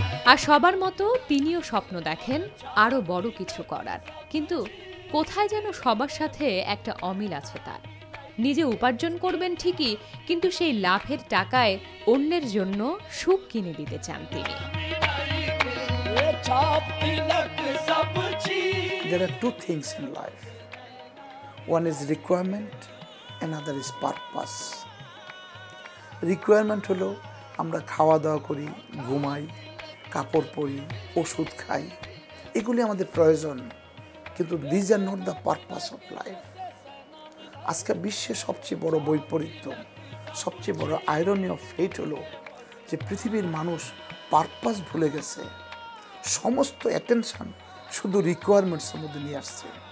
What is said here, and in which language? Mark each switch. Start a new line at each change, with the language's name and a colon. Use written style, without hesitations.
Bangla: আর সবার মতো তিনিও স্বপ্ন দেখেন আরো বড় কিছু করার, কিন্তু কোথায় যেন সবার সাথে একটা অমিল আছে তার। নিজে উপার্জন করবেন ঠিকই, কিন্তু সেই লাভের টাকায় অন্যের জন্য সুখ কিনে দিতে চান তিনি।
English: There are two things in life. One is requirement, another is purpose.
Bangla: Requirement হলো আমরা খাওয়া দাওয়া করি, ঘুমাই, কাপড় পরি, ওষুধ খাই, এগুলি আমাদের প্রয়োজন, কিন্তু
English: These are not the purpose of life.
Bangla: আজকে বিশ্বে সবচেয়ে বড় বৈপরীত্য, সবচেয়ে বড়
English: irony of fate
Bangla: হলো যে পৃথিবীর মানুষ পারপাস ভুলে গেছে, সমস্ত অ্যাটেনশন শুধু রিকোয়ারমেন্টসের মধ্যে নিয়ে আসছে।